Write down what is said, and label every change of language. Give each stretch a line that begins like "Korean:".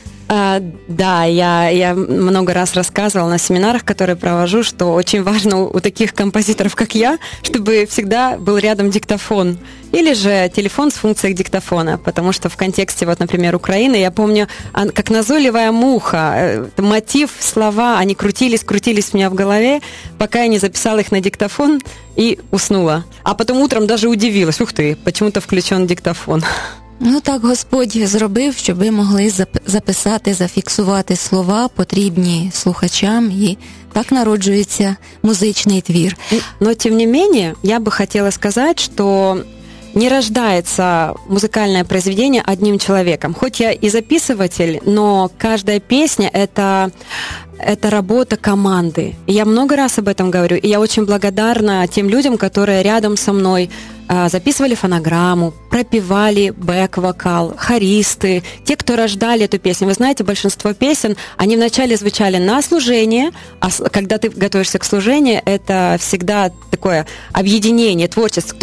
Russian: Да, я много раз рассказывала на семинарах, которые провожу, что очень важно у таких композиторов, как я, чтобы всегда был рядом диктофон или же телефон с функцией диктофона, потому что в контексте, вот, например, Украины, я помню, как назойливая муха, мотив, слова, они крутились у меня в голове, пока я не записала их на диктофон и уснула. А потом утром даже удивилась, ух ты, почему-то включен диктофон.
Ukrainian: Ну так Господь зробив, щоб ви могли записати, зафіксувати слова, потрібні слухачам, і так народжується музичний твір.
Russian: Но тем не менее, я бы хотела сказать, что не рождается музыкальное произведение одним человеком. Хоть я и записыватель, но каждая песня – это работа команды. И я много раз об этом говорю, и я очень благодарна тем людям, которые рядом со мной записывали фонограмму, пропевали бэк-вокал, хористы, те, кто рождали эту песню. Вы знаете, большинство песен, они вначале звучали на служение, а когда ты готовишься к служению, это всегда такое объединение, творчество.